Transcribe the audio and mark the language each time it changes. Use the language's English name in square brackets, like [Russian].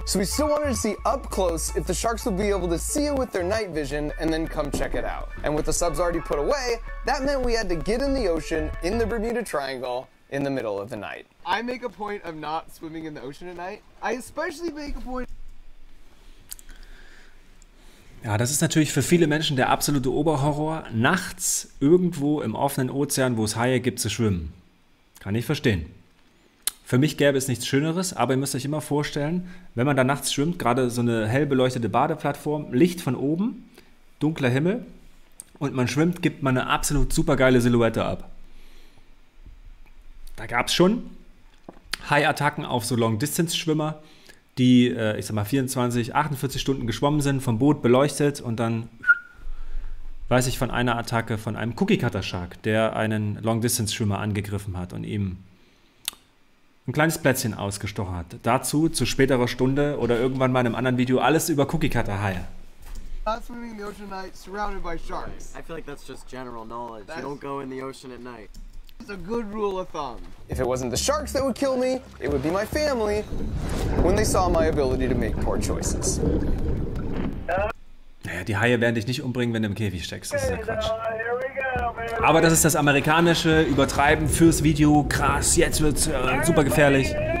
[English] So we still wanted to see up close if the sharks would be able to see it with their night vision and then come check it out. And with the subs already put away, that meant we had to get in the ocean in the Bermuda Triangle in the middle of the night. I make a point of not swimming in the ocean at night. I especially make a point... [German] Ja, das ist natürlich für viele Menschen der absolute Oberhorror, nachts irgendwo im offenen Ozean, wo es Haie gibt, zu schwimmen. Kann ich verstehen. Für mich gäbe es nichts Schöneres, aber ihr müsst euch immer vorstellen, wenn man da nachts schwimmt, gerade so eine hell beleuchtete Badeplattform, Licht von oben, dunkler Himmel und man schwimmt, gibt man eine absolut supergeile Silhouette ab. Da gab es schon Haiattacken auf so Long-Distance-Schwimmer, die, ich sag mal, 24, 48 Stunden geschwommen sind, vom Boot beleuchtet und dann weiß ich von einer Attacke von einem Cookie-Cutter-Shark, der einen Long-Distance-Schwimmer angegriffen hat und ihm ein kleines Plätzchen ausgestochen hat. Dazu zu späterer Stunde oder irgendwann mal in einem anderen Video alles über Cookie-Cutter-Haie. [English] Not swimming in the ocean at night, surrounded by sharks. I feel like that's just general knowledge. That's... You don't go in the ocean at night. It's a good rule of thumb. If it wasn't the sharks that would kill me, it would be my family when they saw my ability to make poor choices. [German] Ja, die Haie werden dich nicht umbringen, wenn du im Käfig steckst. Das ist ja Quatsch. Aber das ist das amerikanische Übertreiben fürs Video. Krass, jetzt wird's super gefährlich.